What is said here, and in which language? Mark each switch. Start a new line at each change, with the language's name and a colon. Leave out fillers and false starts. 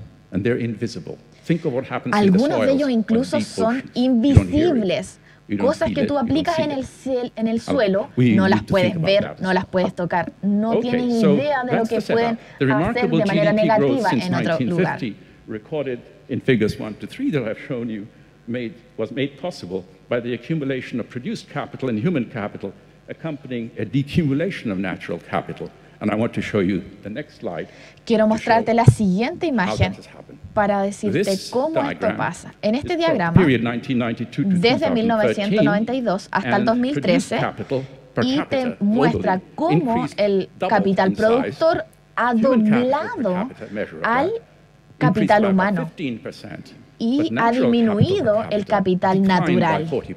Spanish: Algunos de ellos incluso son invisibles. Cosas que tú aplicas en el suelo, no las puedes ver, no las puedes tocar. No tienes idea de lo que pueden hacer de manera negativa en otro lugar.
English: Was made possible by the accumulation of produced capital and human capital accompanying a decumulation of natural capital. And I want to show you the next slide.
Spanish: Quiero mostrarte la siguiente imagen para decirte cómo esto pasa. En este diagrama, desde 1992 hasta el 2013, y te muestra cómo el capital productor ha doblado al capital humano y ha disminuido el capital natural.